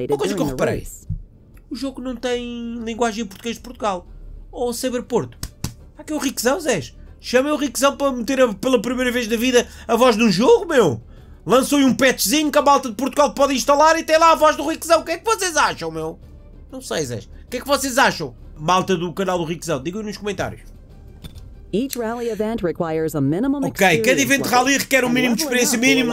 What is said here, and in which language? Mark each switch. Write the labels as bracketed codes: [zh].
[pt] Uma coisa que eu reparei: o jogo não tem linguagem em português de Portugal ou Cyberporto. Aqui é o Riquezão, Zés. Chamei o Riquezão para meter pela primeira vez na vida a voz num jogo, meu. Lançou-lhe um patchzinho que a malta de Portugal pode instalar e tem lá a voz do Riquezão. O que é que vocês acham, meu? Não sei, Zé. O que é que vocês acham, malta do canal do Riquezão? Digam nos comentários. [en] Each rally event requires a minimum experience. [pt] Ok, cada evento de rally requer um mínimo de experiência mínimo.